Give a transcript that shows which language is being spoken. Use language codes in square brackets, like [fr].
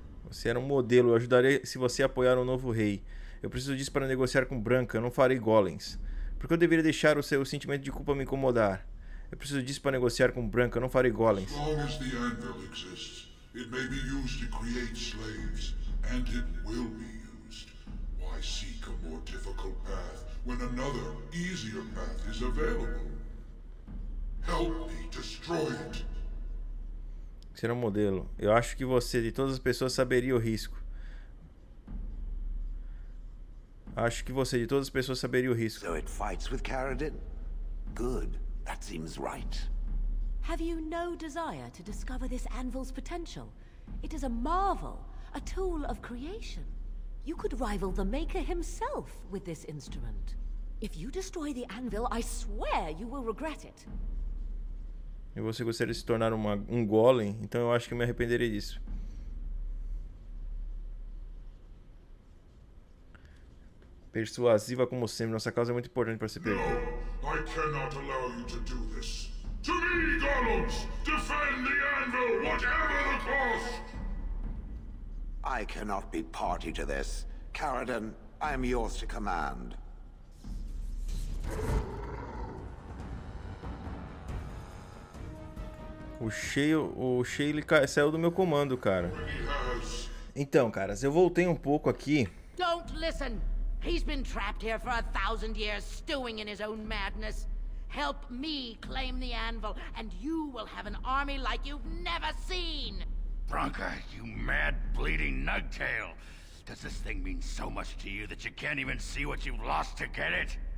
[pt] Você era um modelo. Eu ajudarei se você apoiar um novo rei. Eu preciso disso para negociar com Branca. Eu não farei golems. Por que eu deveria deixar o seu sentimento de culpa me incomodar? Eu preciso disso para negociar com Branca. Eu não farei golems. [en] As long as the anvil exists, it may be used to create slaves. And it will be used. Why seek a more difficult path when another, easier path is available? Help me destroy it. [pt] Será um modelo. Eu acho que você, de todas as pessoas, saberia o risco. Acho que você, de todas as pessoas, saberia o risco. [en] So it fights with Carradine? Good. That seems right. Have you no desire to discover this anvil's potential? It is a marvel, a tool of creation. You could rival the Maker himself with this instrument. If you destroy the anvil, I swear you will regret it. [pt] E você gostaria de se tornar um golem? Então eu acho que eu me arrependerei disso. Persuasiva como sempre, nossa causa é muito importante para ser perdido. Não, [en] I cannot allow you to do this. To me, golems! Defend the anvil, whatever the cost! I cannot be party to this. Carradine, I am yours to command. [pt] O Shale saiu do meu comando, cara. Então, caras, eu voltei um pouco aqui. [en] Don't listen. He's been trapped here for 1,000 years, stewing in his own madness. Help me claim the anvil, and you will have an army like you've never seen. Branca, you mad bleeding nugtail. Does this thing mean so much to you that you can't even see what you've lost to get it?